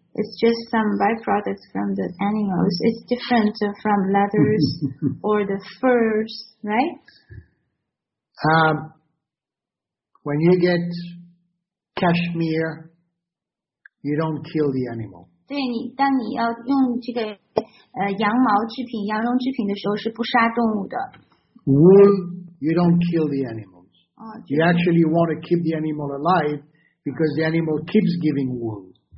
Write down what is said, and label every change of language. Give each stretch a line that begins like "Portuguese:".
English: It's just some byproducts from the animals. It's different from leathers or the furs, right? When you get cashmere, you don't kill the animal.
Chinese: 对你，当你要用这个。羊毛制品、羊绒制品的时候是不杀动物的。
English: Wool, you don't kill the animals. You actually want to keep the animal alive because the animal keeps giving wool.